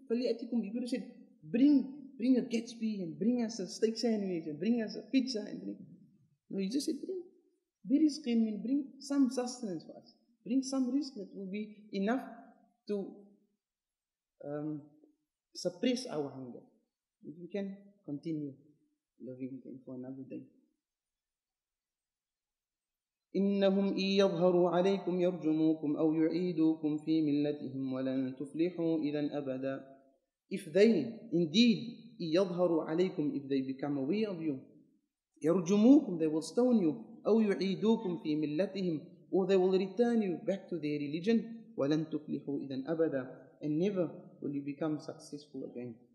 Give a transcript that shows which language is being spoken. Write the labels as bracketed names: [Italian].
[English] You could have said, bring a Gatsby and bring us a steak sandwich and bring us a pizza. No, you just said, bring. Birizqin means bring some sustenance for us. Bring some risk that will be enough to suppress our hunger. If we can continue living for another day. [Arabic] إنهم إن يظهروا عليكم يرجموكم أو يعيدوكم في ملتهم ولن تفلحوا إذا أبدا. [English] If they indeed [Arabic] يظهروا عليكم, [English] if they become aware of you, [Arabic] يرجموكم, [English] they will stone you. [Arabic] أو يعيدوكم في ملتهم, [English] or they will return you back to their religion. [Arabic] ولن تفلحوا إذا أبدا, [English] and never will you become successful again.